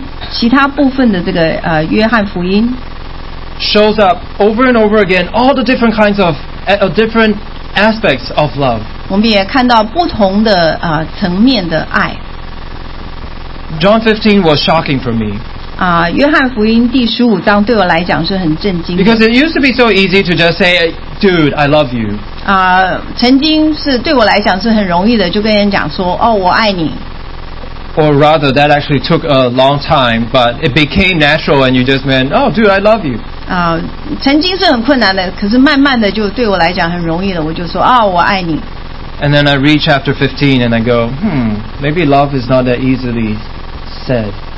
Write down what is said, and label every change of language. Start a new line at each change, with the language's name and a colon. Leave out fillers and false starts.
Chinese: 其他部分的这个约翰福音
English: shows up over and over again all the different kinds of different aspects of love.
Chinese: 我们也看到不同的层面的爱。
English: John 15 was shocking for me.
Chinese: 约翰福音第十五章对我来讲是很震惊的。
English: Because it used to be so easy to just say, "Dude, I love you."
Chinese: 曾经是对我来讲是很容易的，就跟人讲说，哦，我爱你。
English: Or rather, that actually took a long time, but it became natural, and you just went, "Oh, dude, I love you."
Chinese: 曾经是很困难的，可是慢慢的就对我来讲很容易的，我就说，哦，我爱你。
English: And then I read chapter 15, and I go, maybe love is not that easily said.